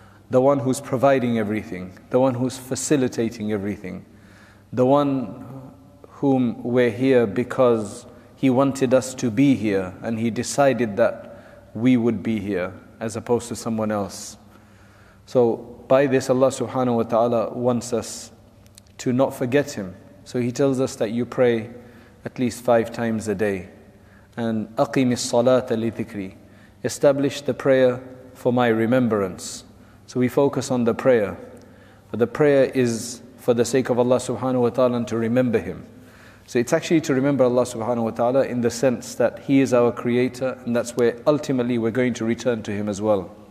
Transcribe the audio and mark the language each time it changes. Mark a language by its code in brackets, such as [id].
[en] the one who's providing everything, the one who's facilitating everything, the one whom we're here because He wanted us to be here and He decided that we would be here as opposed to someone else. So by this, Allah subhanahu wa ta'ala wants us to not forget Him. So He tells us that you pray at least 5 times a day. [ar] And أَقِمِ الصَّلَاةَ لِذِكْرِي. [en] Establish the prayer for my remembrance. So we focus on the prayer. But the prayer is for the sake of Allah subhanahu wa ta'ala and to remember Him. So it's actually to remember Allah subhanahu wa ta'ala in the sense that He is our Creator and that's where ultimately we're going to return to Him as well.